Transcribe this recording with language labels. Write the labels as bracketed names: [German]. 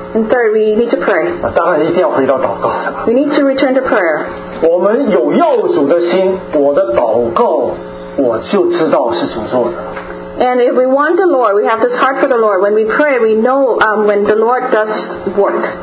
[English] And third, we need to pray. [Chinese] 当然一定要回到祷告。 [English] We need to return to prayer. [Chinese] 我们有要主的心, 我的祷告, 我就知道是主做的。 [English] And if we want the Lord, we have this heart for the Lord. When we pray, we know when the Lord does work.